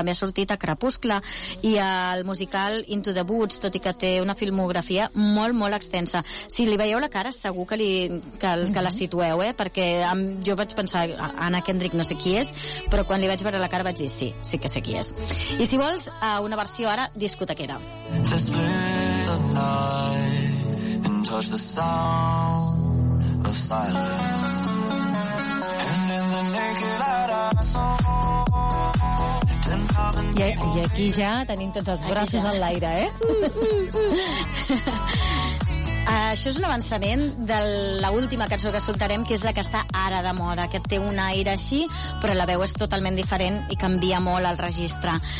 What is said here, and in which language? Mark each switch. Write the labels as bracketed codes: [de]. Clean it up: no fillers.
[ca] També ha sortit a Crepuscle i al musical Into the Woods, tot i que té una filmografia molt, molt extensa. Si li veieu la cara, segur que que la situeu, perquè jo vaig pensar, Anna Kendrick no sé qui és, però quan li vaig veure la cara vaig dir, sí que sé qui és. I si vols, una versió ara discotequera. [en] To spend the night and touch the sound of silence. And in the naked light I saw. [ca] I aquí ja tenim tots els braços en l'aire, eh? Això és un avançament de l'última cançó que soltarem, que és la que està ara de moda, que té un aire així, però la veu és totalment diferent i canvia molt el registre.